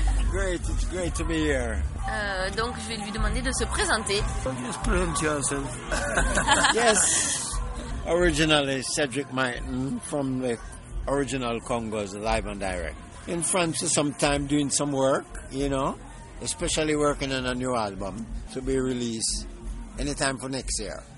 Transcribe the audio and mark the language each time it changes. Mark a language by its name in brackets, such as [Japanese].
[English] Great, it's great to be here. [French] Donc je vais lui demander de se présenter. [English] Just present yourself. Yes. Originally Cedric Miton from the original Congos, live and direct. In France sometime doing some work, you know, especially working on a new album to be released anytime for next year.